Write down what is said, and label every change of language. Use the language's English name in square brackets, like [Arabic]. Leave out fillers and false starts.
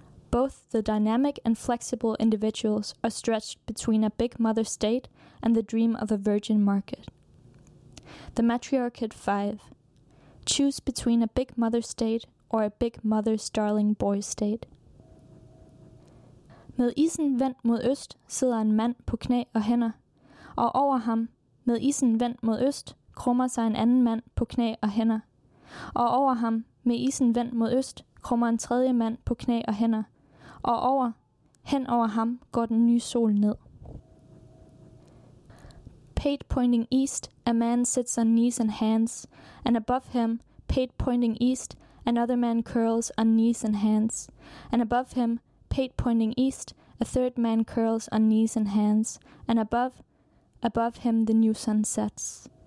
[English] Both the dynamic and flexible individuals are stretched between a big mother state and the dream of a virgin market. The Matriarchate 5. Choose between a big mother state or a big mother's darling boy state. [Danish] Med isen vendt mod øst sidder en mand på knæ og hænder, og over ham, med isen vendt mod øst, krummer sig en anden mand på knæ og hænder, og over ham, med isen vendt mod øst, krummer en tredje mand på knæ og hænder, og over, hen over ham, går den nye sol ned. [English] Pate pointing east, a man sits on knees and hands, and above him, pate pointing east, another man curls on knees and hands, and above him, pate pointing east, a third man curls on knees and hands, and above him the new sun sets.